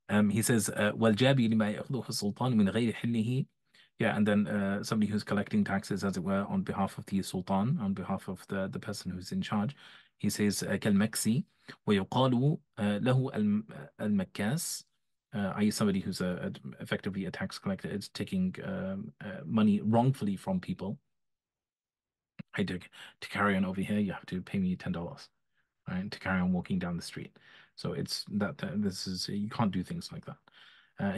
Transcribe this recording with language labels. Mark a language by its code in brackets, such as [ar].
[en] He says, [ar] وَالْجَابِي لِمَا يَأْخُذُهُ السُّلْطَانُ مِنْ غَيْرِ حِلِّهِ. [en] Yeah, and then somebody who's collecting taxes, as it were, on behalf of the sultan, on behalf of the person who's in charge. He says, [ar] كَالْمَكْسِي وَيُقَالُ لَهُ الْمَكَّاسِ. [en] I.e. somebody who's effectively a tax collector. It's taking money wrongfully from people. I do, to carry on over here, you have to pay me $10, right? To carry on walking down the street. So it's that this is, you can't do things like that.